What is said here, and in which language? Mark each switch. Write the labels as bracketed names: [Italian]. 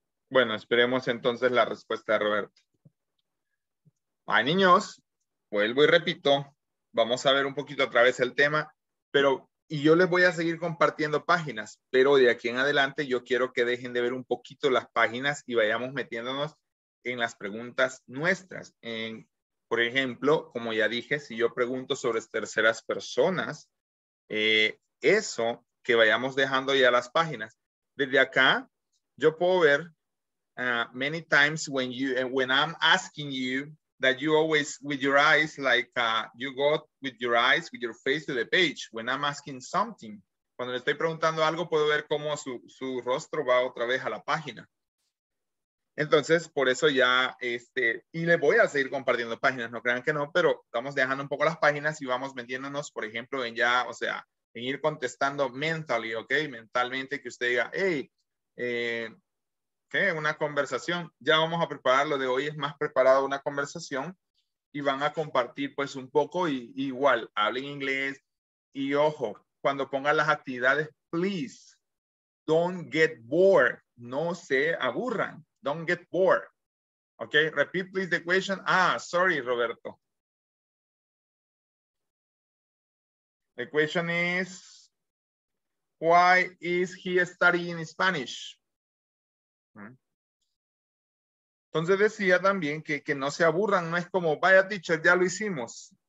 [Spanish] Bueno, esperemos entonces la respuesta de Roberto. Ay, niños, vuelvo y repito, vamos a ver un poquito otra vez el tema, pero y yo les voy a seguir compartiendo páginas, pero de aquí en adelante yo quiero que dejen de ver un poquito las páginas y vayamos metiéndonos en las preguntas nuestras. En, por ejemplo, como ya dije, si yo pregunto sobre terceras personas, eso que vayamos dejando ya las páginas. Desde acá, yo puedo ver [English] many times when I'm asking you that you always with your eyes, like you go with your eyes, with your face to the page, when I'm asking something. [Spanish] Cuando le estoy preguntando algo, puedo ver cómo su rostro va otra vez a la página. Entonces, por eso ya, y le voy a seguir compartiendo páginas, no crean que no, pero vamos dejando un poco las páginas y vamos metiéndonos, por ejemplo, en ya, o sea, en ir contestando mentally, ¿ok? Mentalmente que usted diga, hey, ¿qué? Una conversación. Ya vamos a preparar lo de hoy, es más preparado una conversación y van a compartir pues un poco y igual, hablen inglés y ojo, cuando pongan las actividades, [English] please, don't get bored, [Spanish] no se aburran. [English] Don't get bored. Okay, repeat please the question. Ah, sorry, Roberto. The question is, why is he studying Spanish? [Spanish] Entonces decía también que no se aburran, no es como, vaya teacher, ya lo hicimos.